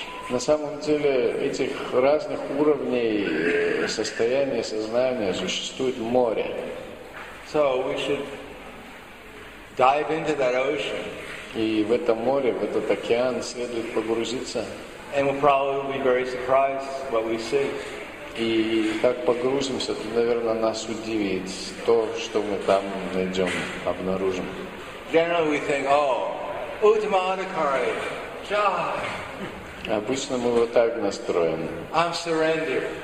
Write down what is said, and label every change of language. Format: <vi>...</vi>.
<ru>На самом деле, этих разных уровней состояния сознания существует море.</ru> <en>So we should dive into that ocean.</en> <ru>И в это море, в этот океан следует погрузиться.</ru> <en>And we'll probably be very surprised what we see.</en> <ru>И так погрузимся, то, наверное, нас удивит то, что мы там найдем, обнаружим.</ru> <en>Generally we think, oh, Uttama Adhikari, Jai.</en> <ru>Обычно мы вот так настроены.</ru> <en>I'm surrender.</en>